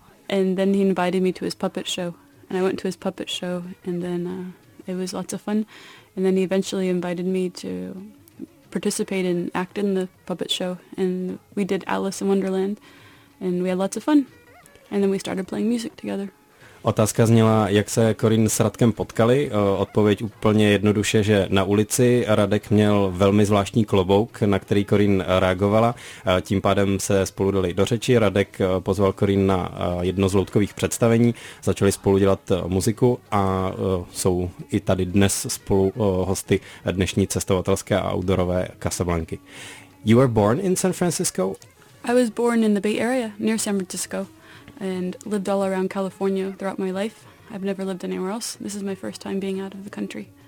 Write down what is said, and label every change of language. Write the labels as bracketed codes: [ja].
[en] And then he invited me to his puppet show, and I went to his puppet show, and then it was lots of fun. And then he eventually invited me to participate and act in the puppet show, and we did Alice in Wonderland, and we had lots of fun. And then we started playing music together. [cs] Otázka zněla, jak se Corinne s Radkem potkali. Odpověď úplně jednoduše, že na ulici. Radek měl velmi zvláštní klobouk, na který Corinne reagovala. Tím pádem se spolu dali do řeči. Radek pozval Corinne na jedno z loutkových představení. Začali spolu dělat muziku a jsou i tady dnes spolu hosty dnešní cestovatelské a outdoorové Casablanky. [en] You were born in San Francisco? I was born in the Bay Area, near San Francisco. And lived all around California throughout my life. I've never lived anywhere else. This is my first time being out of the country.